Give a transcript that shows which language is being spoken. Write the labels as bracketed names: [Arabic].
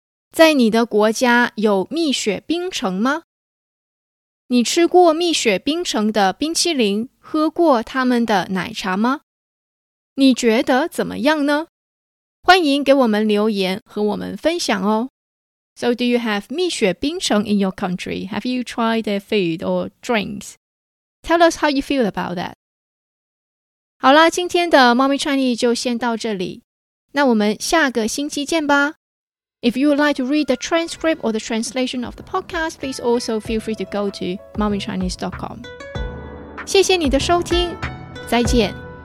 [Chinese] 在你的国家有蜜雪冰城吗？你吃过蜜雪冰城的冰淇淋，喝过他们的奶茶吗？你觉得怎么样呢？欢迎给我们留言和我们分享哦。 [English] So do you have 蜜雪冰城 in your country? Have you tried their food or drinks? Tell us how you feel about that. [Chinese] 好啦，今天的 Mommy Chinese 就先到这里。那我们下个星期见吧。 [English] If you would like to read the transcript or the translation of the podcast, please also feel free to go to mommychinese.com. [Chinese] 谢谢你的收听，再见。